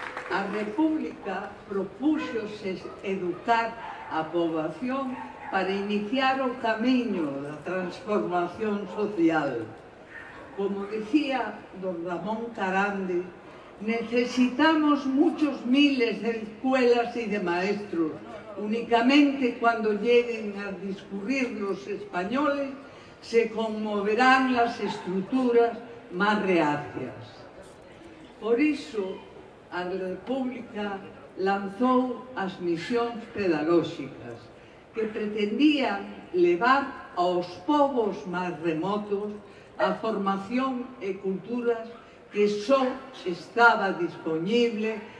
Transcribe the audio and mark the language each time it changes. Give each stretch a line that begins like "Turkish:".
Galician: A República propúxose educar a poboación para iniciar o camiño da transformación social. Como dicía
Spanish: don Ramón Carande, necesitamos muchos miles de escuelas e de maestros. Únicamente cuando lleguen a discurrir los españoles, se conmoverán las estructuras más reacias.
Galician: Por iso, a República lanzou as misións pedagóxicas que pretendían levar aos povos máis remotos a formación e culturas que só estaba disponible